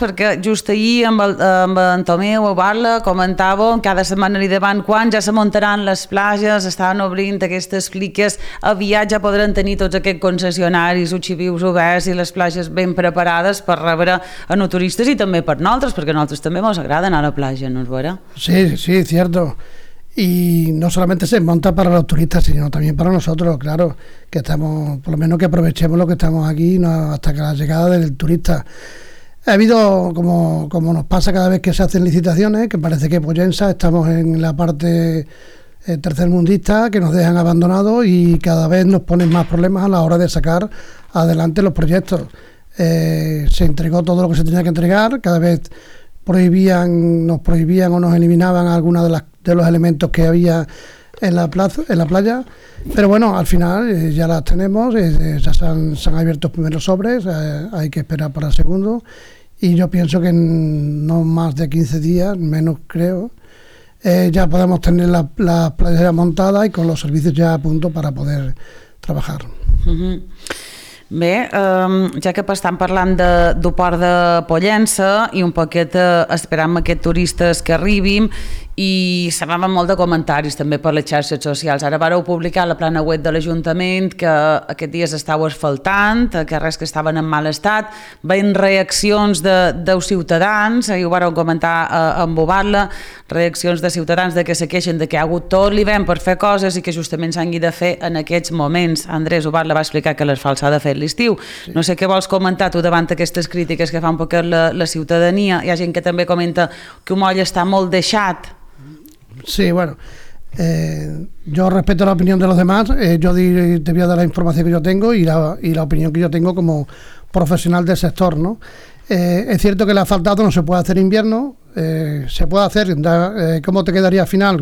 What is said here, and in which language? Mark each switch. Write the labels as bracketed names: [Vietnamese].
[Catalan] Perquè just ahir amb en Tomeu a Barla comentava cada setmana i davant quan ja se muntaran les plages, estaven obrint aquestes cliques, aviat ja podran tenir tots aquests concessionaris, els xivius oberts i les plages ben preparades per rebre a no turistes i també per nosaltres, perquè a nosaltres també ens agrada anar a la platja, no és vera? [Spanish] Sí, sí, cierto. Y no solamente se monta para los turistas, sino también para nosotros, claro, que estamos, por lo menos que aprovechemos lo que estamos aquí, ¿no?, hasta que la llegada del turista. Ha habido, como nos pasa cada vez que se hacen licitaciones, que parece que Pollença estamos en la parte tercermundista, que nos dejan abandonados y cada vez nos ponen más problemas a la hora de sacar adelante los proyectos. Se entregó todo lo que se tenía que entregar, cada vez nos prohibían o nos eliminaban algunas de los elementos que había en la playa, pero bueno, al final ya las tenemos, ya se han abierto los primeros sobres, hay que esperar para el segundo, y yo pienso que en no más de 15 días, menos creo, ya podemos tener la playa ya montada y con los servicios ya a punto para poder trabajar. Uh-huh. [Catalan] Bé, ja que estan parlant del Port de Pollença i un poquet esperant aquests turistes que arribin, i sabem molt de comentaris també per les xarxes socials. Ara vareu publicar a la plana web de l'Ajuntament que aquests dies estàveu asfaltant, que res, que estaven en mal estat. Veient reaccions dels ciutadans, ahir ho vareu comentar amb Obarla, reaccions de ciutadans de que se queixen de que hi ha hagut tot l'hivern per fer coses i que justament s'han de fer en aquests moments. Andrés, Obarla va explicar que l'asfalt s'ha de fer l'estiu. Sí. No sé què vols comentar tu davant d'aquestes crítiques que fa un poquet la ciutadania. Hi ha gent que també comenta que Humoll està molt deixat. [Spanish] Sí, bueno, yo respeto la opinión de los demás, te voy a dar la información que yo tengo y la opinión que yo tengo como profesional del sector, ¿no? Es cierto que el asfaltado no se puede hacer invierno, se puede hacer, ¿cómo te quedaría al final?